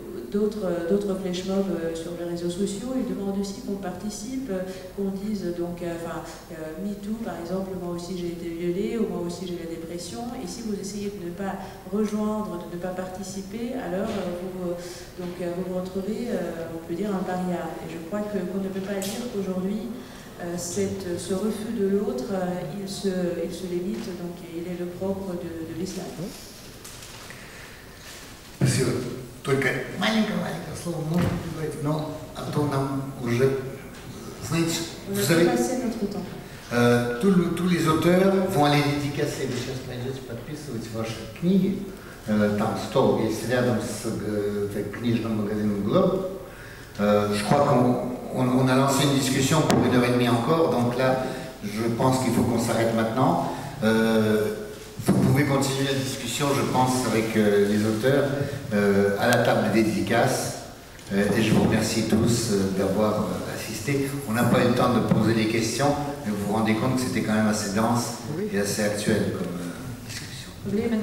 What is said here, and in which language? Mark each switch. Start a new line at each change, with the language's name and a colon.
French: D'autres flash mobs sur les réseaux sociaux, ils demandent aussi qu'on participe, qu'on dise MeToo par exemple, moi aussi j'ai été violée, ou moi aussi j'ai la dépression, et si vous essayez de ne pas rejoindre, de ne pas participer, alors vous rentrerez, on peut dire, un paria. Et je crois qu'on ne peut pas dire qu'aujourd'hui, ce refus de l'autre, il se limite, donc il est le propre de l'islam. Merci.
Russian: Только маленькое слово можно говорить, но а то нам уже, знаете,
French: vous avez passé notre temps. Tous les auteurs vont aller dédicacer,
Russian: вы сейчас пойдете подписывать ваши книги, там стол есть рядом с книжным магазином «Globe».
French: Je crois qu'on a lancé une discussion pour 1h30 encore, donc là, je pense qu'il faut qu'on s'arrête maintenant. Vous pouvez continuer la discussion, je pense, avec les auteurs à la table des dédicaces. Et je vous remercie tous d'avoir assisté. On n'a pas eu le temps de poser les questions, mais vous vous rendez compte que c'était quand même assez dense et assez actuel comme discussion.